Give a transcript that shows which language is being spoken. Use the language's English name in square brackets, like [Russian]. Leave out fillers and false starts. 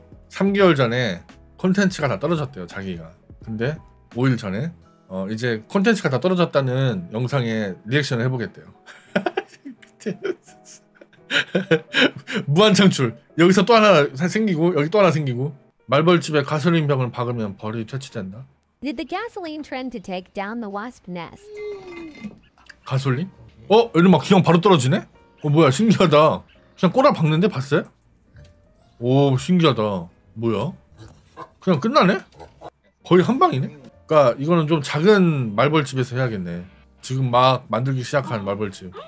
[Korean] 3개월 전에 콘텐츠가 다 떨어졌대요 자기가. 근데 5일 전에 이제 콘텐츠가 다 떨어졌다는 영상에 리액션을 해보겠대요. 무한 창출. 여기서 또 하나 생기고 여기 또 하나 생기고. 말벌집에 가솔린 병을 박으면 벌이 퇴치된다. [English] Did the gasoline trend to take down the wasp nest? [Korean] 가솔린? 어? 여기 막 그냥 바로 떨어지네? 어 뭐야 신기하다. 그냥 꼬라 박는데 봤어요? 오 신기하다. 뭐야? 그냥 끝나네? 거의 한 방이네? 그러니까 이거는 좀 작은 말벌집에서 해야겠네. 지금 막 만들기 시작한 말벌집.